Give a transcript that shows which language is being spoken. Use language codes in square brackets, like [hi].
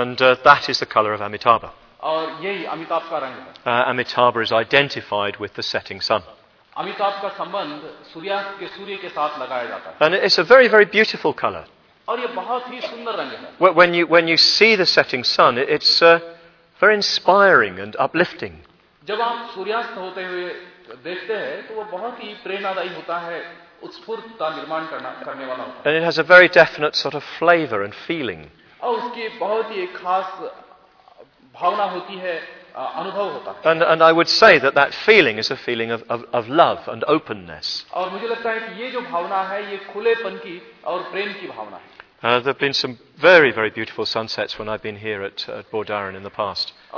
[en] And that is the color of Amitabha. [hi] और यही अमिताभ का रंग है. [en] Amitabha is identified with the setting sun. [hi] Amitabh का संबंध सूर्यास्त के सूर्य के साथ लगाया जाता है. [en] And it's a very very beautiful color. [hi] और ये बहुत ही सुंदर रंग है. [en] When you see the setting sun, it's very inspiring and uplifting. [hi] जब आप सूर्यास्त होते हुए देखते हैं तो वो बहुत ही प्रेरणादायी होता है, उत्स्फूर्तता निर्माण करने वाला होता है. [en] And it has a very definite sort of flavor and feeling. [hi] और उसकी बहुत ही एक खास भावना होती है, अनुभव होता है. [en] And I would say that feeling is a feeling of love and openness. [hi] और मुझे लगता है कि ये जो भावना है ये खुलेपन की और प्रेम की भावना है. [en] There have been some very, very beautiful sunsets when I've been here at Bordharan in the past.